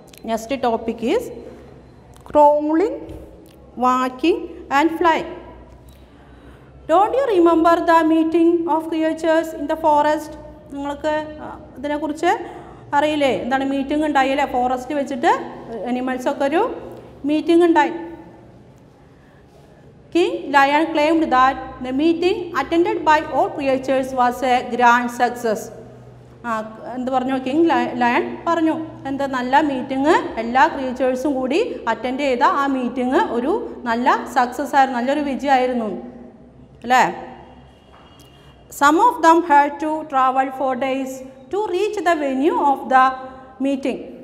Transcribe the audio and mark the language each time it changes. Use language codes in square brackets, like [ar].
[en] Next topic is crawling, walking and flying. Don't you remember the meeting of creatures in the forest? [ml] നിങ്ങൾക്ക് അതിനെക്കുറിച്ച് അറിയില്ലേ? എന്താണ് meeting ഉണ്ടായില്ലേ forest വെച്ചിട്ട്? എനിമൽസൊക്കെ ഒരു മീറ്റിംഗ് ഉണ്ടായി. [en] King lion claimed that the meeting attended by all creatures was a grand success. [ml] ആ എന്ത് പറഞ്ഞു? കിങ് ലയൺ പറഞ്ഞു എന്താ നല്ല മീറ്റിംഗ്, എല്ലാ ക്രിയേച്ചേഴ്സും കൂടി അറ്റൻഡ് ചെയ്ത ആ മീറ്റിംഗ് ഒരു നല്ല സക്സസ് ആയിരുന്നു, നല്ലൊരു വിജയമായിരുന്നു അല്ലേ. [en] Some of them had to travel for days to reach the venue of the meeting.